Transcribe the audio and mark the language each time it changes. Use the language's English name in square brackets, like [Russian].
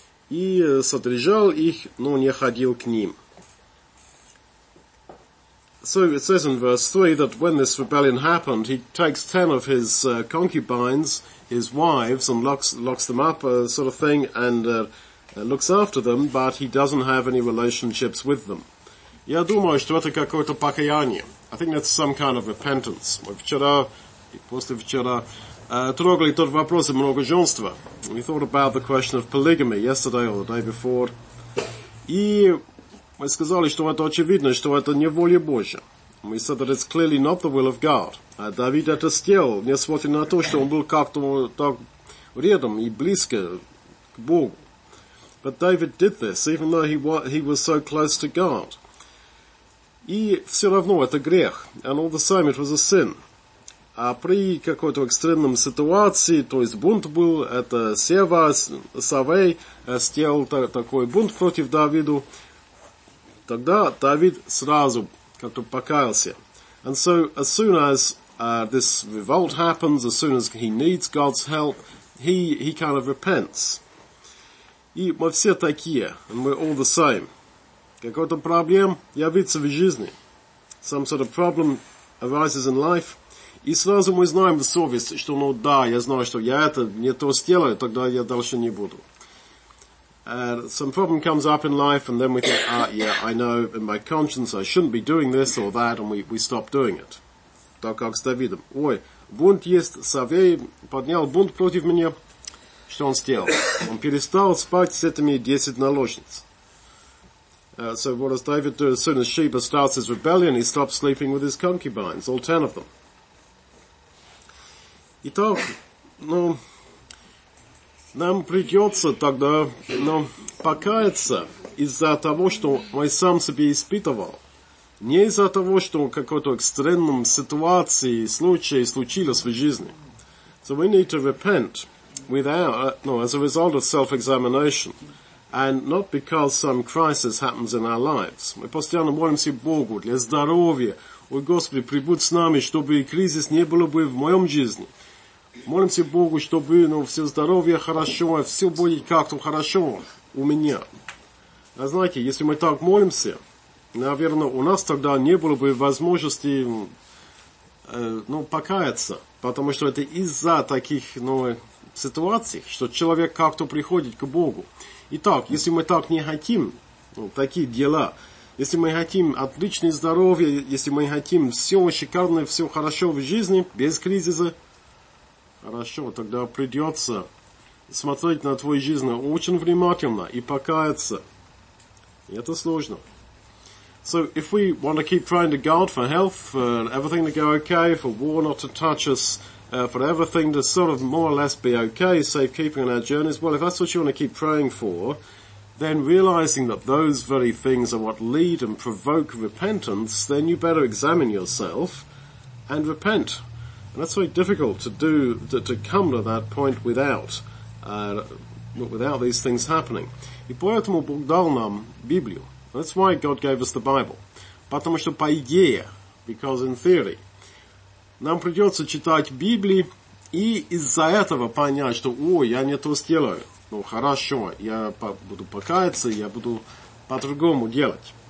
[Russian] И содержал их, но не ходил к ним. [English] So it says in verse 3 that when this rebellion happened, he takes 10 of his concubines, his wives, and locks them up, sort of thing, and looks after them, but he doesn't have any relationships with them. [Russian] Я думаю, что это какое-то покаяние. [English] I think that's some kind of repentance. [Russian] Вчера, после вчера, трогали тот вопрос о многоженстве. [English] We thought about the question of polygamy yesterday or the day before. [Russian] И мы сказали, что это очевидно, что это не воля Божья. [English] We said that it's clearly not the will of God. [Russian] Давид это сделал, несмотря на то, что он был как-то так рядом и близко к Богу. [English] But David did this, even though he was so close to God. [Russian] И все равно это грех. [English] And all the same, it was a sin. [Russian] А при какой-то экстренном ситуации, то есть бунт был, это Савей сделал такой бунт против Давиду, тогда Давид сразу как-то покаялся. [English] And so, as soon as this revolt happens, as soon as he needs God's help, he kind of repents. [Russian] И мы все такие, [English] and we're all the same. [Russian] Какой-то проблем явится в жизни. [English] Some sort of problem arises in life. [Russian] И сразу мы знаем в совести, что, ну да, я знаю, что я это не то сделаю, тогда я дальше не буду. [English] Some problem comes up in life, and then we think, ah, yeah, I know, in my conscience, I shouldn't be doing this or that, and we stop doing it. [Russian] Так как с Давидом. Ой, бунт есть, Савей поднял бунт против меня. Что он сделал? Он перестал спать с этими 10 наложниц. [English] So what does David do? As soon as Sheba starts his rebellion, he stops sleeping with his concubines, all 10 of them. [Russian] Итак, ну, нам придется тогда, ну, покаяться из-за того, что мы сам себе испытывал. Не из-за того, что какой-то экстремум ситуации, случай случилось в жизни. [English] So we need to repent as a result of self-examination, and not because some crisis happens in our lives. [Russian] Мы постоянно молимся Богу для здоровья. Ой, Господи, прибудь с нами, чтобы кризис не было бы в моем жизни. Молимся Богу, чтобы, ну, все здоровье хорошо, все будет как-то хорошо у меня. А знаете, если мы так молимся, наверное, у нас тогда не было бы возможности, ну, покаяться, потому что это из-за таких, ну, ситуаций, что человек как-то приходит к Богу. Итак, если мы так не хотим, ну, такие дела, если мы хотим отличное здоровье, если мы хотим все шикарное, все хорошо в жизни, без кризиса, хорошо, тогда придется смотреть на твою жизнь очень внимательно и покаяться. И это сложно. [English] So if we want to keep praying to God for health, for everything to go okay, for war not to touch us, for everything to sort of more or less be okay, safe keeping on our journeys, well, if that's what you want to keep praying for, then realizing that those very things are what lead and provoke repentance, then you better examine yourself and repent. And that's very difficult to do, to come to that point without these things happening. [Russian] И поэтому Бог дал нам Библию. [English] That's why God gave us the Bible. [Russian] Потому что по идее, [English] because in theory, [Russian] нам придется читать Библию и из-за этого понять, что, ой, я не то сделаю. Ну, хорошо, я буду покаяться, я буду по-другому делать.